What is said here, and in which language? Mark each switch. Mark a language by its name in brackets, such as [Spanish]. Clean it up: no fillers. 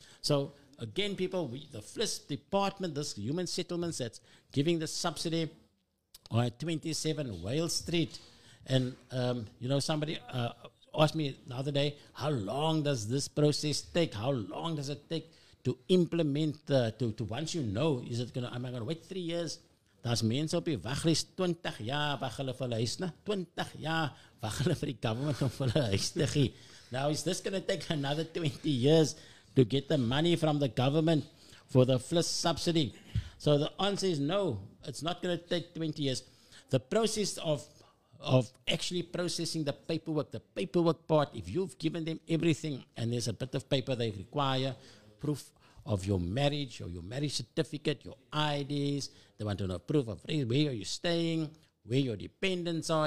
[English] So again, people, the FLIS department, this human settlements that's giving the subsidy, or at 27 Whale Street. And, you know, somebody asked me the other day, how long does this process take? How long does it take to implement the, to once you know, is it going to, am I going to wait 3 years? [Afrikaans] Das mense op die waglys 20 jaar wag hulle vir hulle huis, na 20 jaar wag hulle vir die government om vir hulle huis te gee. [English] Now, is this going to take another 20 years to get the money from the government for the FLIS subsidy? So the answer is no. It's not going to take 20 years. The process of actually processing the paperwork part, if you've given them everything and there's a bit of paper they require, proof of your marriage or your marriage certificate, your IDs, they want to know proof of where are you staying, where your dependents are.